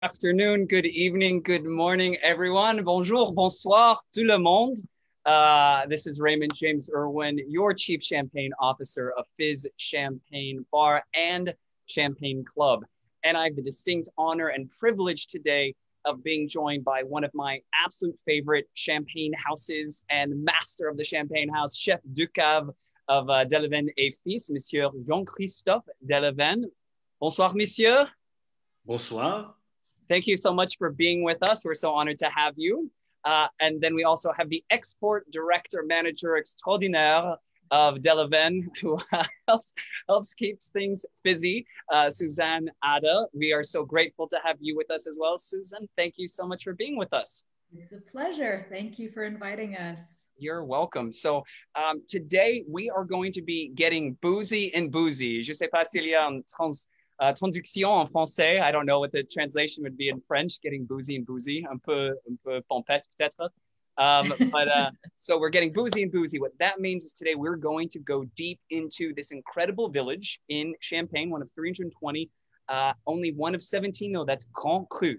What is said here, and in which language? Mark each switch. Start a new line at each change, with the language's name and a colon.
English: Afternoon, good evening, good morning, everyone.
French: Bonjour, bonsoir, tout le monde.
English: This is Raymond James Irwin, your chief champagne officer of Fizz Champagne Bar and Champagne Club. And I have the distinct honor and privilege today of being joined by one of my absolute favorite champagne houses and master of the champagne house, Chef du Cave of Delavenne et Fils, Monsieur Jean-Christophe Delavenne.
French: Bonsoir, monsieur. Bonsoir.
English: Thank you so much for being with us. We're so honored to have you. And then we also have the export director manager extraordinaire of Delavenne, who helps keeps things busy, Suzanne Adda. We are so grateful to have you with us as well. Susan, thank you so much for being with us. It's a pleasure. Thank you for inviting us. You're welcome. So today we are going to be getting boozy and boozy.
French: Je sais pas s'il y a traduction en français.
English: I don't know what the translation would be in French, getting boozy and boozy,
French: un peu pompette peut-être.
English: So we're getting boozy and boozy. What that means is today we're going to go deep into this incredible village in Champagne, one of 320, only one of 17, though, that's Grand Cru.